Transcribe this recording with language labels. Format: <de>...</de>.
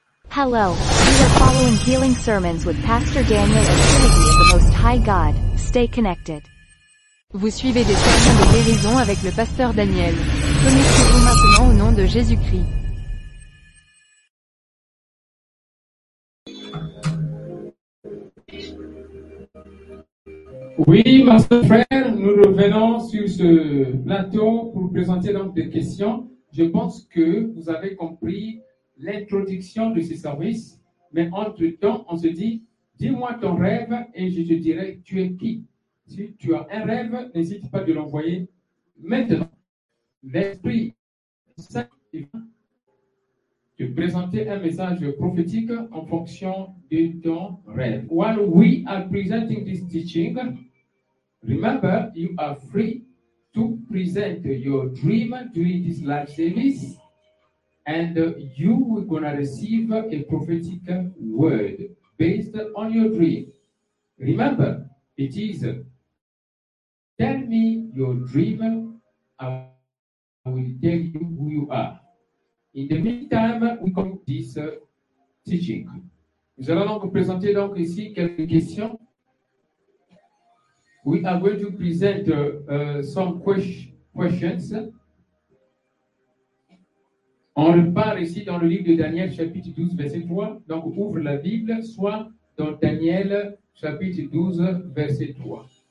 <en>Hello, you are following Healing Sermons with Pastor Daniel and Trinity of the Most High God. Stay connected.</en> <fr>Vous suivez des sermons de guérison avec le pasteur Daniel. Connectez-vous maintenant au nom de Jésus-Christ. Oui, master frère, nous revenons sur ce plateau pour présenter donc des questions. Je pense que vous avez compris l'introduction de ce service, mais entre temps, on se dit, dis-moi ton rêve et je te dirai tu es qui. Si tu as un rêve, n'hésite pas de l'envoyer maintenant. L'Esprit Saint te présenter un message prophétique en fonction de ton rêve.</fr> <en>While we are presenting this teaching, remember, you are free to present your dream during this live service. And you are going to receive a prophetic word based on your dream. Remember, it is, tell me your dream, I will tell you who you are. In the meantime, we come to this teaching.</en> <fr>Nous allons donc présenter donc ici quelques questions.</fr> <en>We are going to present some questions.</en> <fr>On repart ici dans le livre de Daniel, chapitre 12, verset 3. Donc, ouvre la Bible, soit dans Daniel, chapitre 12, verset 3.</fr>